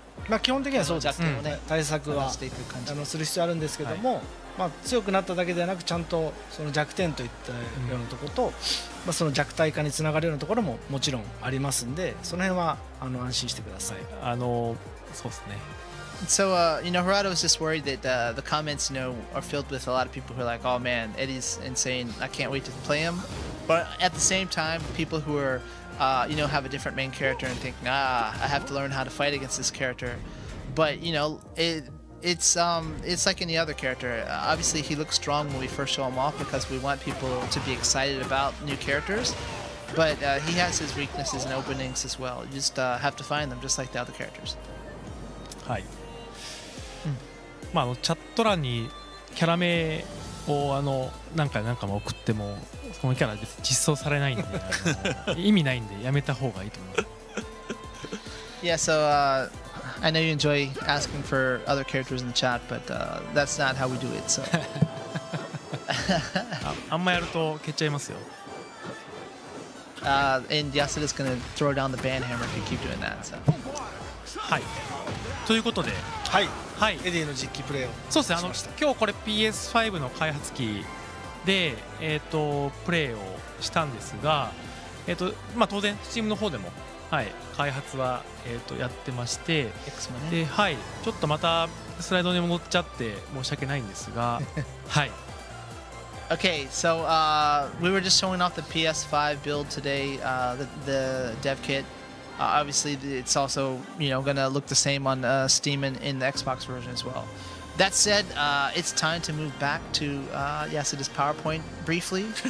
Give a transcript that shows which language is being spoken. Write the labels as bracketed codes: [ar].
[ja] まあ、基本的にはそうですね、ね、対策はあのする必要あるんですけども、はい、まあ、強くなっただけではなくちゃんとその弱点といったようなところと、うん、まあ、その弱体化につながるようなところももちろんありますんで、その辺はあの安心してください、はい、あのそうですね。 [en] So, you know, Harada was just worried that the comments, you know, are filled with a lot of people who are like, oh man, Eddy's insane, I can't wait to play him. But at the same time, people who are, you know, have a different main character and think, ah, I have to learn how to fight against this character. But, you know, it's like any other character. Obviously, he looks strong when we first show him off because we want people to be excited about new characters. But he has his weaknesses and openings as well. You just have to find them, just like the other characters. Hi. [ja] まあ、あのチャット欄にキャラ名をあの何回何回も送ってもそのキャラで実装されないんで、あの意味ないんでやめた方がいいと思う。 [en] Yeah, so I know you enjoy asking for other characters in the chat, but that's not how we do it. So. [ja] あんまやると蹴っちゃいますよ。 [en] And Yasuda is gonna throw down the ban hammer if you keep doing that. So. [ja] はい。ということで。はい。はい、エディの実機プレイをそうですね、しました。あの今日これ PS5 の開発機で、プレイをしたんですが、まあ、当然 Steam の方でも、はい、開発は、やってまして、ね、で、はい、ちょっとまたスライドに戻っちゃって申し訳ないんですが、はい、 [en] Okay, so we were just showing off the PS5 build today, the dev kitobviously, it's also, you know, going to look the same on Steam and in the Xbox version as well. That said, it's time to move back to Yasuda's PowerPoint briefly.